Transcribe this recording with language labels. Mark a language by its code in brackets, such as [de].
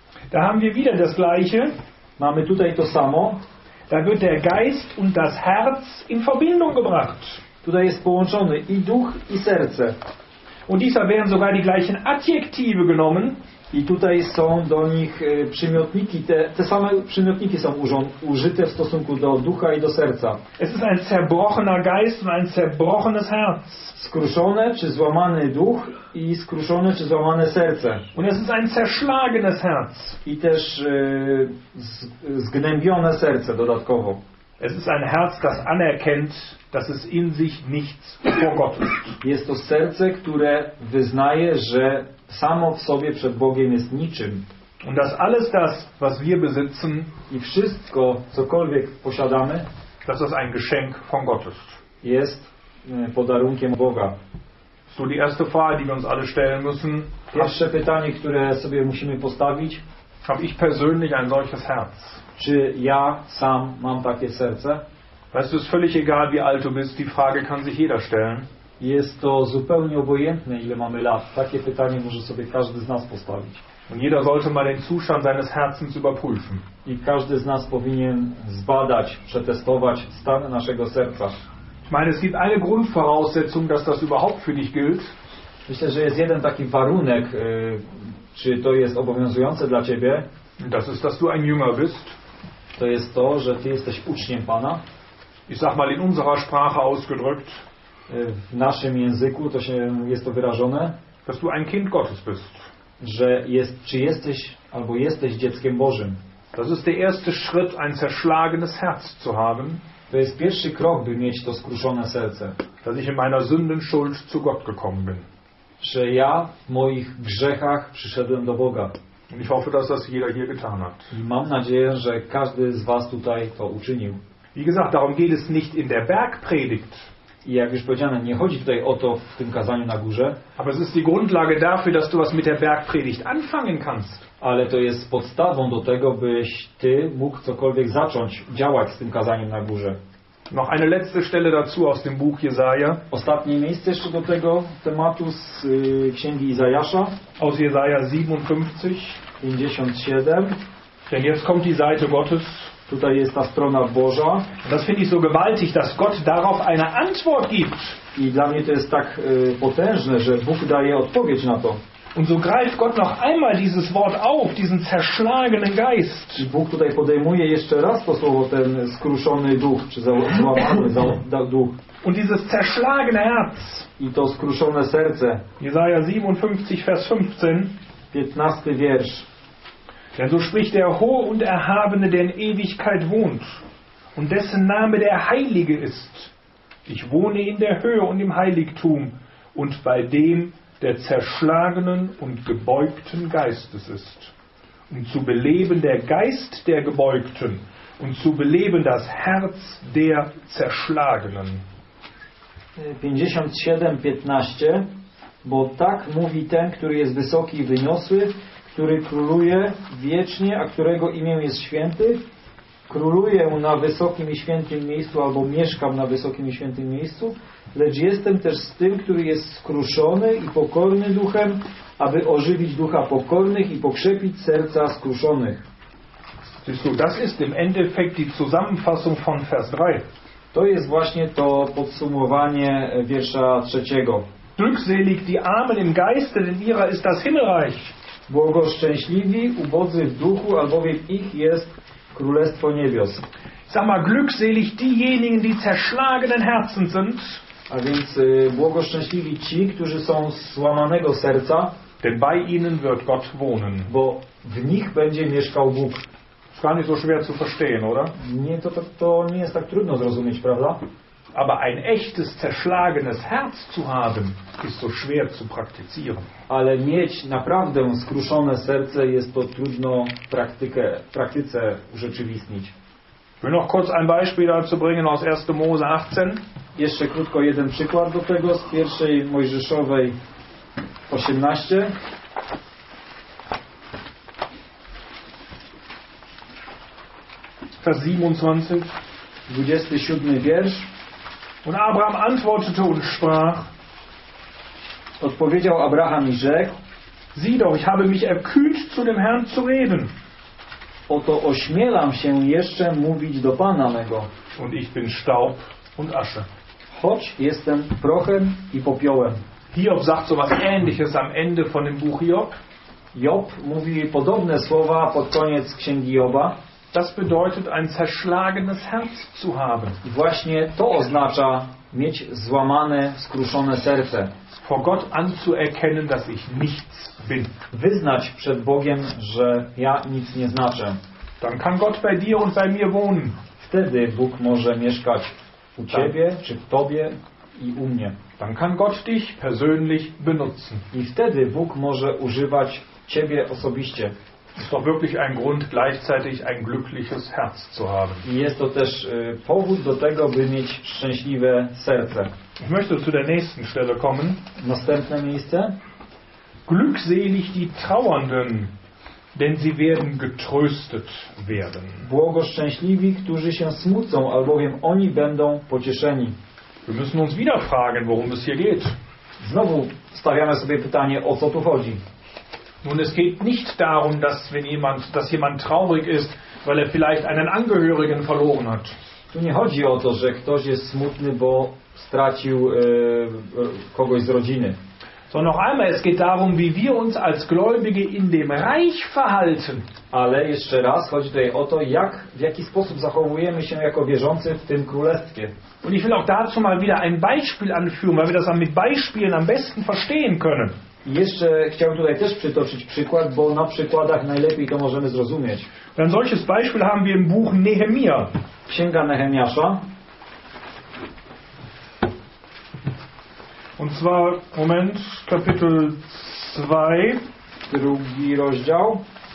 [de] Da haben wir wieder das Gleiche. [pl] Mamy tutaj to samo. [de] Da wird der Geist und das Herz in Verbindung gebracht. [pl] Tutaj jest połączony i duch, i serce. [de] Und dieser werden sogar die gleichen Adjektive genommen. [pl] I tutaj są do nich przymiotniki, te same przymiotniki są użyte w stosunku do ducha i do serca. [de] Es ist ein zerbrochener Geist und ein zerbrochenes Herz. [pl] Skruszone czy złamany duch i skruszone czy złamane serce. [de] Und es ist ein zerschlagenes Herz. [pl] I też zgnębione serce dodatkowo. [de] Es ist ein Herz, das anerkennt, dass es in sich nichts vor Gott ist. [pl] Jest to serce, które wyznaje, że samo w sobie przed Bogiem jest niczym. [de] Und das alles das, was wir besitzen, [pl] i wszystko, cokolwiek posiadamy, [de] das ist ein Geschenk von Gott ist. [pl] Jest podarunkiem Boga. [de] So die erste Frage, die wir uns alle stellen müssen. [pl] Pierwsze pytanie, które sobie musimy postawić. [de] Habe ich persönlich ein solches Herz? [pl] Czy ja sam mam takie serce? [de] Weißt du, es ist völlig egal, wie alt du bist, die Frage kann sich jeder stellen. [pl] Jest to zupełnie obojętne, ile mamy lat. Takie pytanie może sobie każdy z nas postawić. [de] Und jeder sollte mal den Zustand seines Herzens überprüfen. [pl] I każdy z nas powinien zbadać, przetestować stan naszego serca. [de] Ich meine, es gibt eine Grundvoraussetzung, dass das überhaupt für dich gilt. [pl] Myślę, że jest jeden taki warunek, czy to jest obowiązujące dla ciebie. [de] Das ist, dass du ein Jünger bist. [pl] To jest to, że ty jesteś uczniem Pana. [de] Ich sag mal in unserer Sprache ausgedrückt. [pl] W naszym języku to się jest to wyrażone, [de] dass du ein Kind Gottes bist. [pl] Że jest, czy jesteś albo jesteś dzieckiem Bożym. [de] Das ist der erste Schritt, ein zerschlagenes Herz zu haben. [pl] To jest pierwszy krok, by mieć to skruszone serce. [de] Dass ich in meiner Sündenschuld zu Gott gekommen bin. [pl] Że ja w moich grzechach przyszedłem do Boga. [de] Und ich hoffe, dass das jeder hier getan hat. [pl] I mam nadzieję, że każdy z was tutaj to uczynił. [de] Wie gesagt, darum geht es nicht in der Bergpredigt. [pl] I jak już powiedziane, nie chodzi tutaj o to w tym kazaniu na górze. [de] Aber es ist die Grundlage dafür, dass du was mit der Bergpredigt anfangen kannst. [pl] Ale to jest podstawą do tego, byś ty mógł cokolwiek zacząć działać z tym kazaniem na górze. [de] Noch eine letzte Stelle dazu aus dem Buch Jesaja. [pl] Ostatnie miejsce jeszcze do tego tematu z księgi Izajasza. [de] Aus Jesaja 57. Denn jetzt kommt die Seite Gottes. [pl] Tutaj jest ta strona Boża. [de] Das finde ich so gewaltig, dass Gott darauf eine Antwort gibt. [pl] I dla mnie to jest tak potężne, że Bóg daje odpowiedź na to. [de] Und so greift Gott noch einmal dieses Wort auf, diesen zerschlagenen Geist. [pl] I Bóg tutaj podejmuje jeszcze raz to słowo, ten skruszony duch, czy złamany duch. [de] Und dieses zerschlagene Herz. [pl] I to skruszone serce. [de] Jesaja 57, Vers 15. [pl] 15. Wiersz. [de] Denn so spricht der Hohe und Erhabene, der in Ewigkeit wohnt, und dessen Name der Heilige ist. Ich wohne in der Höhe und im Heiligtum und bei dem, der zerschlagenen und gebeugten Geistes ist. Um zu beleben der Geist der Gebeugten und zu beleben das Herz der Zerschlagenen. 57, 15. [pl] Bo tak mówi ten, który jest wysoki i wyniosły, który króluje wiecznie, a którego imię jest święty. Króluję na wysokim i świętym miejscu, albo mieszkam na wysokim i świętym miejscu, lecz jestem też z tym, który jest skruszony i pokorny duchem, aby ożywić ducha pokornych i pokrzepić serca skruszonych. [de] Das ist im Endeffekt die Zusammenfassung von Vers 3. [pl] To jest właśnie to podsumowanie wiersza trzeciego. [de] Glückselig die Armen im Geiste, denn ihrer ist das Himmelreich. [pl] Błogoszczęśliwi, ubodzy w duchu, albowiem ich jest Królestwo Niebios. [de] Sag mal, glückselig diejenigen, die zerschlagenen Herzen sind. [pl] A więc błogoszczęśliwi ci, którzy są złamanego serca. [de] Denn bei ihnen wird Gott wohnen. [pl] Bo w nich będzie mieszkał Bóg. [de] Ist gar nicht so schwer zu verstehen, oder? [pl] Nie, to nie jest tak trudno zrozumieć, prawda? [de] Aber ein echtes zerschlagenes Herz zu haben, ist so schwer zu praktizieren. [pl] Ale mieć naprawdę skruszone serce, jest to trudno praktyce urzeczywistnić. [de] Will noch kurz ein Beispiel dazu bringen aus 1. Mose 18. [pl] Jeszcze krótko jeden przykład do tego z pierwszej Mojżeszowej 18. [de] Vers 27. [pl] 27. Wiersz. [de] Und Abraham antwortete und sprach. [pl] Odpowiedział Abraham i rzekł: [de] Sieh doch, ich habe mich erkühnt zu dem Herrn zu reden. [pl] Oto ośmielam się jeszcze mówić do Pana mego. [de] Und ich bin Staub und Asche. [pl] Choć jestem prochem i popiołem. [de] Hiob sagt so was Ähnliches am Ende von dem Buch Hiob. [pl] Job mówi podobne słowa pod koniec księgi Joba. [de] Das bedeutet ein zerschlagenes Herz zu haben. [pl] I właśnie to oznacza mieć złamane, skruszone serce. [de] Vor Gott anzuerkennen, dass ich nichts bin. [pl] Wyznać przed Bogiem, że ja nic nie znaczę. [de] Dann kann Gott bei dir und bei mir wohnen. [pl] Wtedy Bóg może mieszkać u ciebie, czy w tobie i u mnie. [de] Dann kann Gott dich persönlich benutzen. [pl] I wtedy Bóg może używać ciebie osobiście. [de] Ist doch wirklich ein Grund, gleichzeitig ein glückliches Herz zu haben. [pl] I jest to też powód do tego, by mieć szczęśliwe serce. [de] Ich möchte zu der nächsten Stelle kommen. [pl] Następne miejsce. [de] Glückselig die Trauernden, denn sie werden getröstet werden. [pl] Błogoszczęśliwi, którzy się smucą, albowiem oni będą pocieszeni. [de] Wir müssen uns wieder fragen, worum es hier geht. [pl] Znowu stawiamy sobie pytanie, o co tu chodzi. [de] Nun, es geht nicht darum, dass wenn jemand, dass jemand traurig ist, weil er vielleicht einen Angehörigen verloren hat. [pl] Tu nie chodzi o to, że ktoś jest smutny, bo stracił kogoś z rodziny. [de] So, noch einmal, es geht darum, wie wir uns als Gläubige in dem Reich verhalten. [pl] Ale jeszcze raz chodzi tutaj o to, jak, w jaki sposób zachowujemy się jako wierzący w tym Królestwie. [de] Und ich will auch dazu mal wieder ein Beispiel anführen, weil wir das mit Beispielen am besten verstehen können. [pl] I jeszcze chciałbym tutaj też przytoczyć przykład, bo na przykładach najlepiej to możemy zrozumieć. [de] Ein solches Beispiel haben wir im Buch Nehemia. [pl] Księga Nehemiasza. [de] Und zwar, Moment, Kapitel 2, [pl] drugi rozdział,